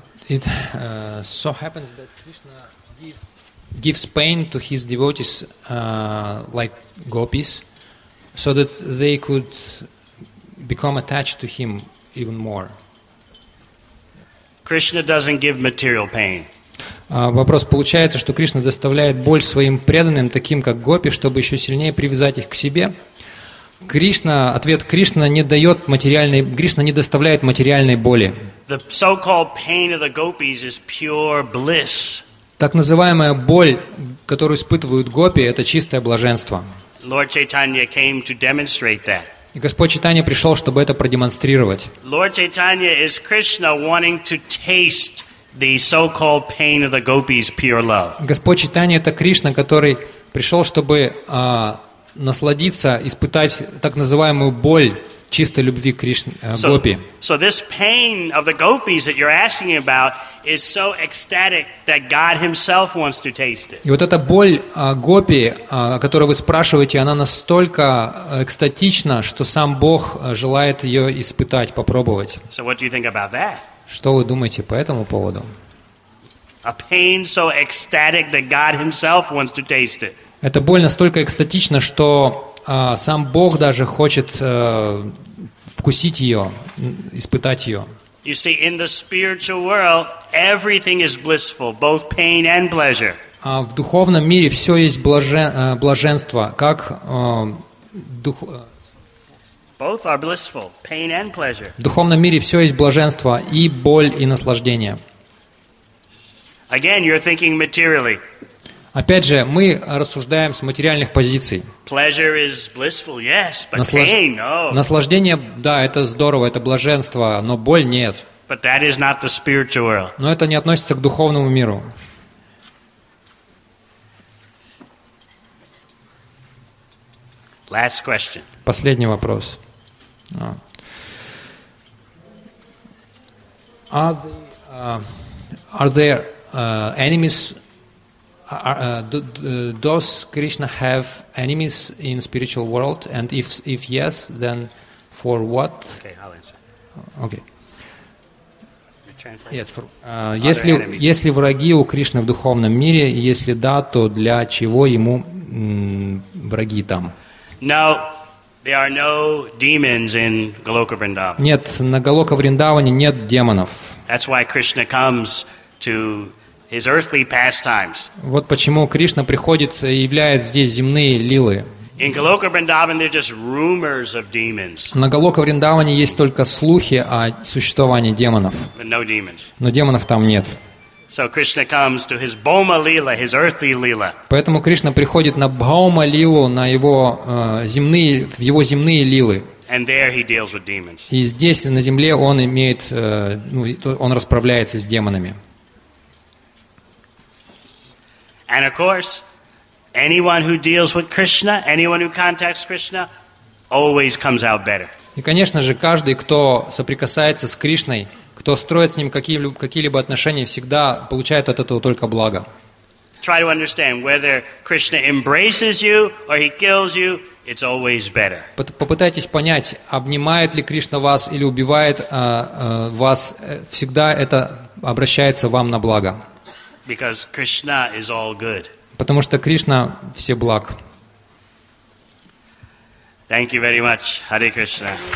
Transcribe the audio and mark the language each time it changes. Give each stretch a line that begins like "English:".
English: So happens that Krishna gives pain to his devotees, like gopis, so that they could become attached to him even more. Krishna doesn't give material pain.
Russian: Вопрос получается, что Кришна доставляет боль своим преданным, таким как гопи, чтобы еще сильнее привязать их к себе. Кришна, ответ: Кришна не дает материальной, Кришна не доставляет материальной боли.
English: The so-called pain of the gopis is pure bliss.
Russian: Так называемая боль, которую испытывают гопи, это чистое блаженство.
English: Lord Chaitanya came to demonstrate that.
Russian: И Господь Чайтанья пришел, чтобы это продемонстрировать.
English: Lord Chaitanya is Krishna wanting to taste the so-called pain of the gopis' pure love.
Russian: Господь Чайтанья — это Кришна, который пришел, чтобы насладиться, испытать так называемую боль чистой любви гопи.
English: So this pain of the gopis that you're asking about is so ecstatic that God himself wants to taste it.
Russian: И вот эта боль гопи, о которой вы спрашиваете, она настолько экстатична, что сам Бог желает ее испытать, попробовать.
English: So what do you think about that?
Russian: Что вы думаете по этому поводу?
English: A pain so ecstatic that God himself wants to taste it.
Russian: Эта боль настолько экстатична, что сам Бог даже хочет вкусить ее, испытать ее.
English: You see, in the spiritual world, everything is blissful, both pain and pleasure.
Russian: В духовном мире все есть блаженство, как дух.
English: Both are blissful, pain and pleasure.
Russian: В духовном мире все есть блаженство и боль и наслаждение.
English: Again, you're thinking materially.
Russian: Опять же, мы рассуждаем с материальных позиций.
English: Pleasure is blissful, yes, but pain, no.
Russian: Наслаждение, да, это здорово, это блаженство, но боль нет.
English: But that is not the spiritual world.
Russian: Но это не относится к духовному миру.
English: Last question.
Russian: Последний вопрос.
English: Are there enemies? Does Krishna have enemies in spiritual world? And if yes, then for what? Okay, I'll answer. Okay. Translate. Yes.
Russian: Если враги у Кришны в духовном мире, если да, то для чего ему враги там?
English: No, there are no demons in Goloka Vrindavan.
Russian: Нет, на Голока Вриндаване нет демонов.
English: That's why Krishna comes to his earthly pastimes.
Russian: Вот почему Кришна приходит и являет здесь земные лилы.
English: In Goloka Vrindavan, there are just rumors of demons.
Russian: На Голока Вриндаване есть только слухи о существовании демонов.
English: But no demons.
Russian: Но демонов там нет.
English: So Krishna comes to his Bhauma Lila, his earthly Lila.
Russian: Поэтому Кришна приходит на Бхаума Лилу, на его земные, в его земные лилы.
English: And there he deals with demons.
Russian: И здесь, на земле, он имеет, он расправляется с демонами.
English: And of course, anyone who deals with Krishna, anyone who contacts Krishna, always comes out better.
Russian: И, конечно же, каждый, кто соприкасается с Кришной, кто строит с ним какие-либо отношения, всегда получает от этого только благо.
English: Try to understand whether Krishna embraces you or he kills you. It's always better.
Russian: Попытайтесь понять, обнимает ли Кришна вас или убивает вас. Всегда это обращается вам на благо.
English: Because Krishna is all good.
Russian: Потому что Кришна все благ.
English: Thank you very much. Hare Krishna.